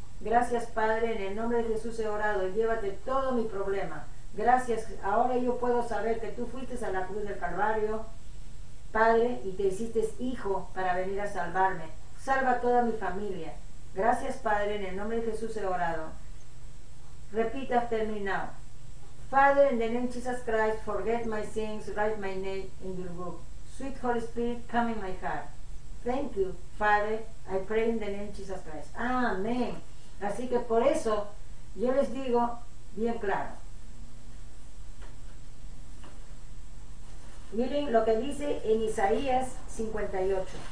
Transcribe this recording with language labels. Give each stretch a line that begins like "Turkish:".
Spanish: Gracias, Padre, en el nombre de Jesús he orado, y llévate todo mi problema. Gracias, ahora yo puedo saber que tú fuiste a la cruz del Calvario, Padre, y te hiciste hijo para venir a salvarme. Salva toda mi familia. Gracias, Padre, en el nombre de Jesús he orado. Repita terminado.
English: Father, in the name of Jesus Christ, forget my sins, write my name in your book. Sweet Holy Spirit, come in my heart. Thank you, Father, I pray in the name of Jesus Christ.
Spanish: Amén. Así que por eso yo les digo bien claro. Miren lo que dice en Isaías 58.